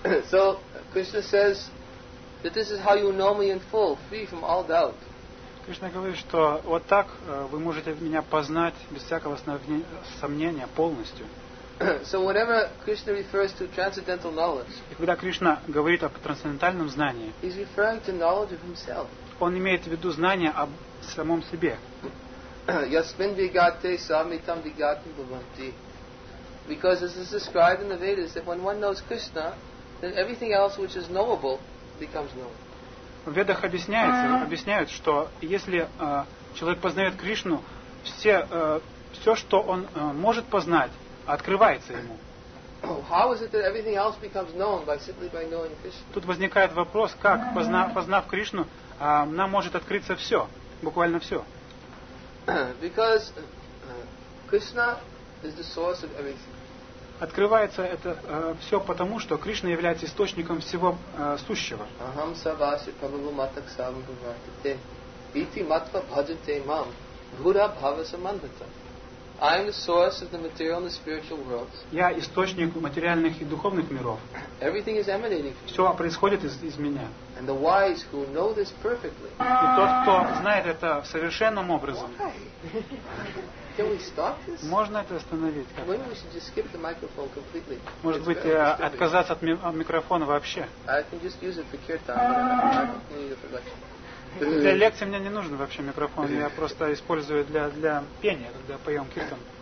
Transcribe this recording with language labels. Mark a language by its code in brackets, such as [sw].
[en] So Krishna says that this is how you know me in full, free from all doubt. [ru] Кришна говорит, что вот так вы можете меня познать без всякого сомнения полностью. [en] So whenever Krishna refers to transcendental knowledge, [ru] и когда Кришна говорит о трансцендентальном знании, [en] he's referring to knowledge of himself. [ru] Он имеет в виду знание о самом себе. [sa] Yasmin vigate samitam vigatam bhavanti. [en] Because as is described in the Vedas, that when one knows Krishna, then everything else which is knowable becomes known. [ru] В Ведах объясняют, что если человек познает Кришну, все, что он может познать, открывается ему. [en] How is it that everything else becomes known by simply by knowing Krishna? [ru] Тут возникает вопрос, как, познав Кришну, нам может открыться все, буквально все. [en] Because Krishna is the source of everything. [ru] Открывается это все потому, что Кришна является источником всего сущего. [sa] Aham savasi prabhu matak sambhavate iti matva bhajate mam bhura bhavasamandata. [en] I am the source of the material and the spiritual worlds. [ru] Я источник материальных и духовных миров. [en] Everything is emanating from. [ru] Все происходит из меня. [en] And the wise who know this perfectly. [ru] И тот, кто знает это совершенным образом. [en] Can we stop this? [ru] Можно это остановить? Как? [en] Maybe we should just skip the microphone completely. [ru] Может быть, отказаться от микрофона вообще? [en] I can just use it for kirtan. I don't need a production. [ru] Для лекции мне не нужен вообще микрофон. Я просто использую для пения, когда поем киртан.